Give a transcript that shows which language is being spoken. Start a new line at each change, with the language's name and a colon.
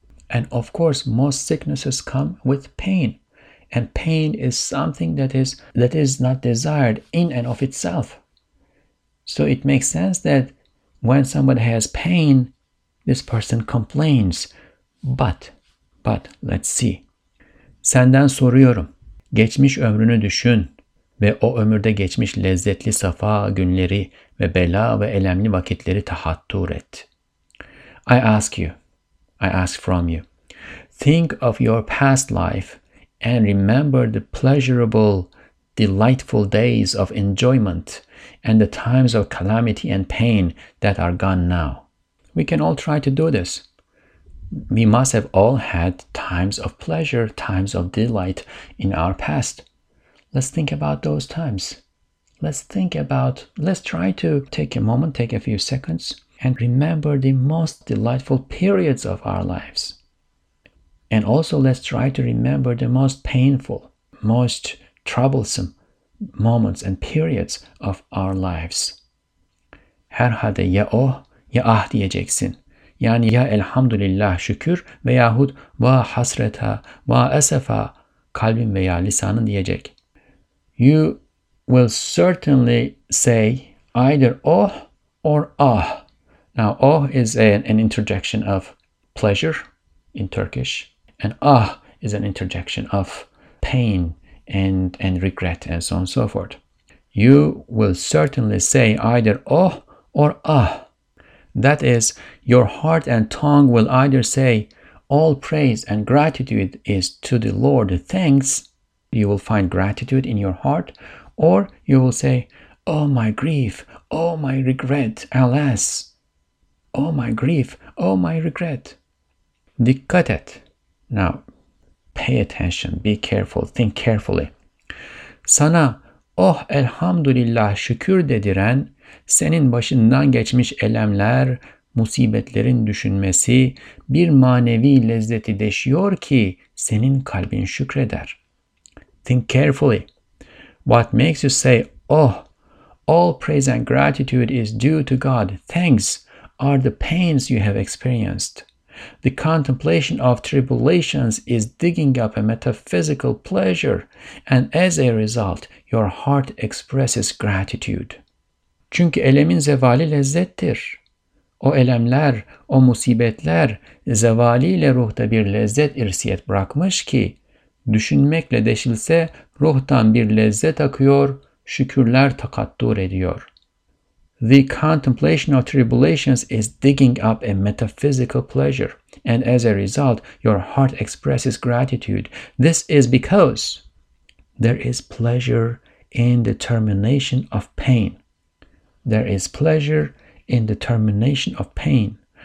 English: And of course, most sicknesses come with pain. And pain is something that is not desired in and of itself. So it makes sense that when somebody has pain, this person complains. But, let's see.
Turkish: Senden soruyorum. Geçmiş ömrünü düşün ve o ömürde geçmiş lezzetli safa günleri ve bela ve elemli vakitleri tahattur et.
English: I ask from you. Think of your past life and remember the pleasurable, delightful days of enjoyment and the times of calamity and pain that are gone now. We can all try to do this. We must have all had times of pleasure, times of delight in our past. Let's think about those times. Let's try to take a few seconds and remember the most delightful periods of our lives. And also let's try to remember the most painful, most troublesome moments and periods of our lives.
Turkish: Herhalde ya oh ya ah diyeceksin. Yani ya elhamdülillah şükür veyahut va hasreta, va esefa kalbim veya lisanın diyecek.
English: You will certainly say either oh or ah. Now oh is an interjection of pleasure in Turkish. And ah is an interjection of pain and regret and so on and so forth. You will certainly say either oh or ah. That is, your heart and tongue will either say, all praise and gratitude is to the Lord, thanks. You will find gratitude in your heart. Or you will say, oh my grief, oh my regret, alas. Oh my grief, oh my regret.
Turkish: Dikkat et.
English: Now, pay attention, be careful, think carefully.
Turkish: Sana, oh elhamdülillah şükür dediren, senin başından geçmiş elemler, musibetlerin düşünmesi bir manevi lezzeti deşiyor ki senin kalbin şükreder.
English: Think carefully. What makes you say, Oh, all praise and gratitude is due to God. Thanks are the pains you have experienced. The contemplation of tribulations is digging up a metaphysical pleasure, and as a result, your heart expresses gratitude.
Turkish: Çünkü elemin zevali lezzettir. O elemler, o musibetler, zevaliyle ruhta bir lezzet irsiyet bırakmış ki, düşünmekle deşilse ruhtan bir lezzet akıyor, şükürler takaddur ediyor.
English: The contemplation of tribulations is digging up a metaphysical pleasure, and as a result, your heart expresses gratitude. This is because there is pleasure in the termination of pain. There is pleasure in the termination of pain.